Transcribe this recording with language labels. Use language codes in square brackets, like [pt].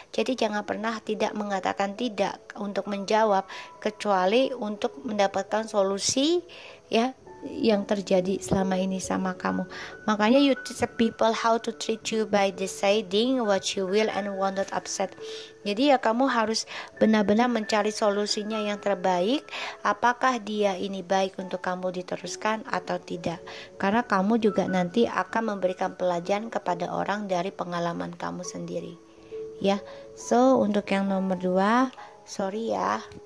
[id] Jadi jangan pernah tidak mengatakan tidak untuk menjawab, kecuali untuk mendapatkan solusi ya yang terjadi selama ini sama kamu. Makanya [en] you teach the people how to treat you by deciding what you will and won't get upset. [id] Jadi ya kamu harus benar-benar mencari solusinya yang terbaik, apakah dia ini baik untuk kamu diteruskan atau tidak, karena kamu juga nanti akan memberikan pelajaran kepada orang dari pengalaman kamu sendiri ya. So untuk yang nomor 2, sorry ya,